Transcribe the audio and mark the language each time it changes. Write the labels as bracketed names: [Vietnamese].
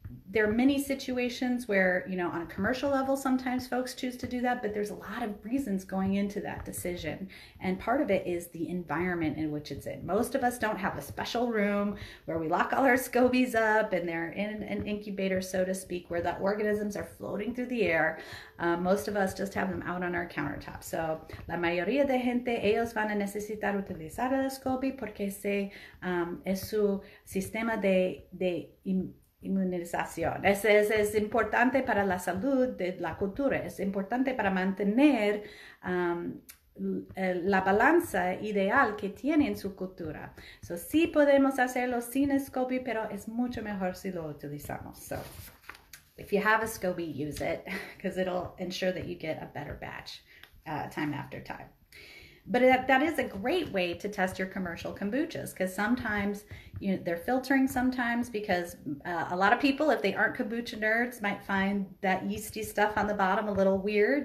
[English] There are many situations where, you know, on a commercial level, sometimes folks choose to do that, but there's a lot of reasons going into that decision. And part of it is the environment in which it's in. Most of us don't have a special room where we lock all our SCOBYs up and they're in an incubator, so to speak, where the organisms are floating through the air. Most of us just have them out on our countertop. [Spanish] So la mayoría de gente, ellos van a necesitar utilizar el SCOBY porque es su sistema de inmunización. Es importante para la salud de la cultura. Es importante para mantener la balanza ideal que tiene en su cultura. So sí podemos hacerlo sin SCOBY, pero es mucho mejor si lo utilizamos. [English] So if you have a SCOBY, use it because it'll ensure that you get a better batch time after time. But that is a great way to test your commercial kombuchas because sometimes, you know, they're filtering sometimes because a lot of people, if they aren't kombucha nerds, might find that yeasty stuff on the bottom a little weird.